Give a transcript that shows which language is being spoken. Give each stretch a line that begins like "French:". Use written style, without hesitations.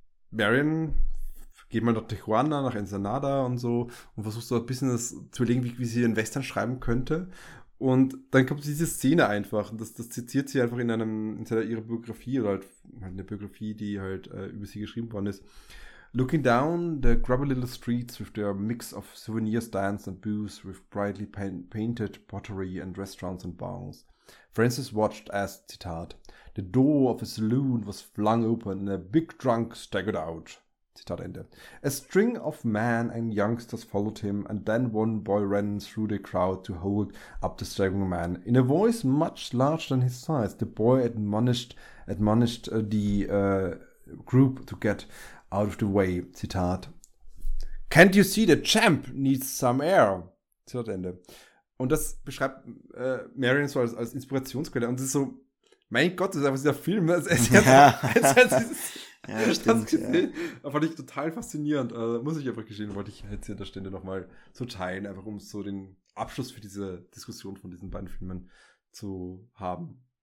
German: Marion geht mal nach Tijuana, nach Ensenada und so und versucht so ein bisschen das zu überlegen, wie sie den Western schreiben könnte. Und dann kommt diese Szene einfach, und das zitiert sie einfach in ihrer Biografie oder halt eine Biografie, die halt über sie geschrieben worden ist.
English: Looking down the grubby little streets with their mix of souvenir stands and booths with brightly painted pottery and restaurants and bars. Francis watched as,
German: Zitat,
English: the door of a saloon was flung open and a big drunk staggered out.
German: Zitat Ende.
English: A string of men and youngsters followed him, and then one boy ran through the crowd to hold up the staggering man. In a voice much larger than his size, the boy admonished the group to get out of the way.
German: Zitat.
English: Can't you see the champ needs some air?
German: Zitat Ende. Und das beschreibt Marion so als Inspirationsquelle. Und es ist so, mein Gott, das ist einfach dieser Film. Das fand ich total faszinierend. Muss ich einfach gestehen, wollte ich jetzt hier an der Stelle nochmal so teilen, einfach um so den Abschluss für diese Diskussion von diesen beiden Filmen zu haben.